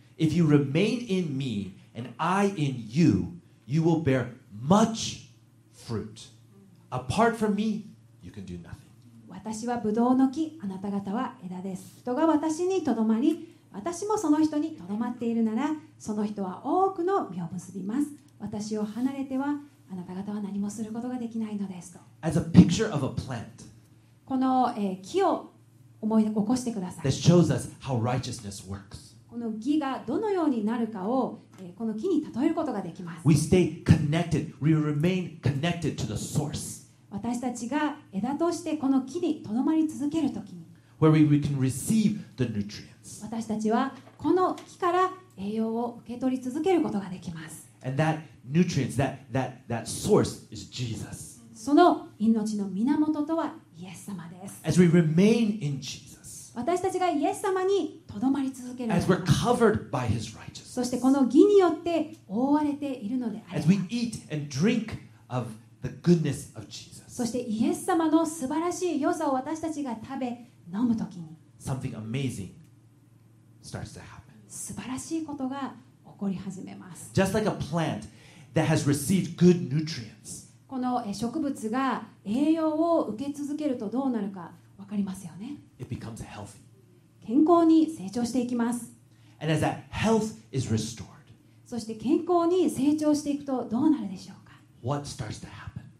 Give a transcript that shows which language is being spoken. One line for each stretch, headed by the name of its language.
English: If you remain in me and I in you, you will bear much fruit. Apart from me, you can do nothing.
Japanese: 私はブドウの木、あなた方は枝です。人が私にとどまり、私もその人にとどまっているなら、その人は多くの実を結びます。私を離れてはあなた方は何もすることができないのですと。
English: As a picture of a plant.
Japanese: この木を思い起こしてください。
English: That shows us how righteousness works.
Japanese: この義がどのようになるかをこの木に例えることができます。
English: We stay connected. We remain connected to the source.
Japanese: 私たちが枝としてこの木にとどまり続けるときに、
English: Where we can receive the nutrients.
Japanese: 私たちはこの木から栄養を受け取り続けることができます。
English: And that nutrients, that source is Jesus.
Japanese: その命の源とはイエス様です。
English: As we remain in Jesus,
Japanese: 私たちがイエス様にとどまり続ける、
English: As we're covered by his righteousness,
Japanese: そしてこの義によって覆われているのであれば、
English: As we eat and drink of the goodness of Jesus,
Japanese: そしてイエス様の素晴らしい良さを私たちが食べ飲むときに、
English: Something amazing starts to happen.
Japanese: 素晴らしいことが起こり始めます。
English: Just like a plant that has received good nutrients,
Japanese: この植物が栄養を受け続けるとどうなるか分かりますよね。
English: It becomes healthy.
Japanese: 健康に成長していきます。
English: And as that health is restored,
Japanese: そして健康に成長していくとどうなるでしょうか。
English: What starts to happen?